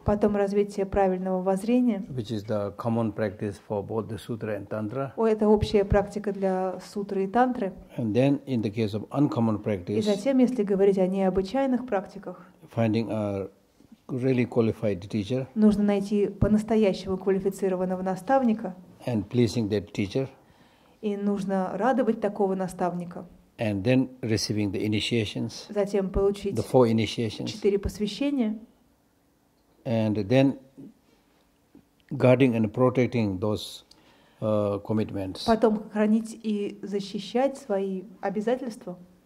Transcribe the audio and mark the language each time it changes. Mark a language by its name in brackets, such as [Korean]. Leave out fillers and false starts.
[Russian] Потом развитие правильного воззрения. [English] Which is the common practice for both the sutra and tantra. [Russian] Это общая практика для сутры и тантры. [English] And then in the case of uncommon practice. [Russian] И затем, если говорить о необычайных практиках. [English] Finding a really qualified teacher. [Russian] Нужно найти по-настоящему квалифицированного наставника. [English] And pleasing that teacher. [Russian] И нужно радовать такого наставника. [English] And then receiving the initiations. [Russian] Затем получить [English] the 4 initiations. [Russian] 4 посвящения. [English] And then guarding and protecting those commitments. [Russian] Потом хранить и защищать свои обязательства.